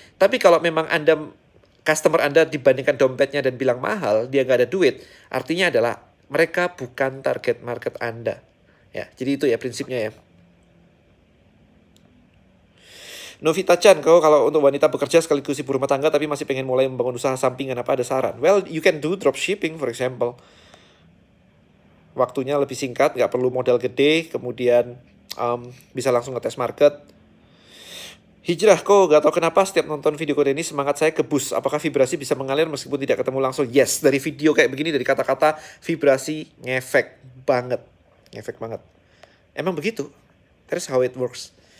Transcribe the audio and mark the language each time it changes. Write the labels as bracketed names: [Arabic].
[Indonesian] Tapi kalau memang Anda, customer Anda dibandingkan dompetnya dan bilang mahal, dia nggak ada duit, artinya adalah mereka bukan target market Anda. Ya, jadi itu ya prinsipnya ya. Novita Chan, kalau untuk wanita bekerja sekaligus ibu rumah tangga tapi masih pengen mulai membangun usaha sampingan, apa ada saran? [English] Well, you can do dropshipping for example. [Indonesian] Waktunya lebih singkat, nggak perlu modal gede, kemudian bisa langsung ngetes market. Hijrah, kok nggak tahu kenapa setiap nonton video kode ini semangat saya kebus. Apakah vibrasi bisa mengalir meskipun tidak ketemu langsung? Yes, dari video kayak begini, dari kata-kata, vibrasi ngefek banget. Ngefek banget. Emang begitu? [English] That's how it works.